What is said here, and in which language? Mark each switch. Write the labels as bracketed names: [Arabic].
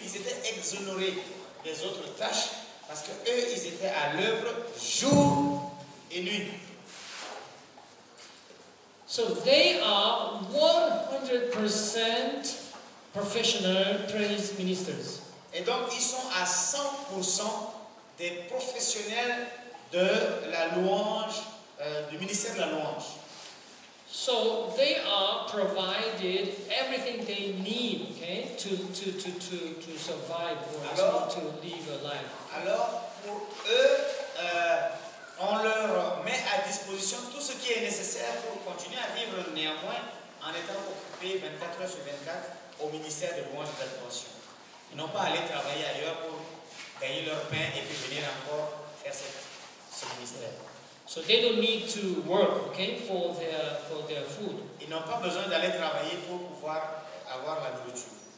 [French] Ils étaient exonérés des autres tâches, parce que eux, ils étaient à l'œuvre jour et nuit. [English] So they are 100% professional praise ministers. [French] Et donc ils sont à 100% des professionnels de la louange, du ministère de la louange. [English] So they are provided everything they need, okay, to survive or to live a life. [French] Alors pour eux, on leur met à disposition tout ce qui est nécessaire pour continuer à vivre néanmoins en étant occupé 24 heures sur 24 au ministère de louange et d'adoration. Ils n'ont pas à aller travailler ailleurs pour gagner leur pain et puis venir encore faire ce ministère. [English] So they don't need to work, okay, for their food. [French] Ils n'ont pas besoin d'aller travailler pour pouvoir avoir la nourriture.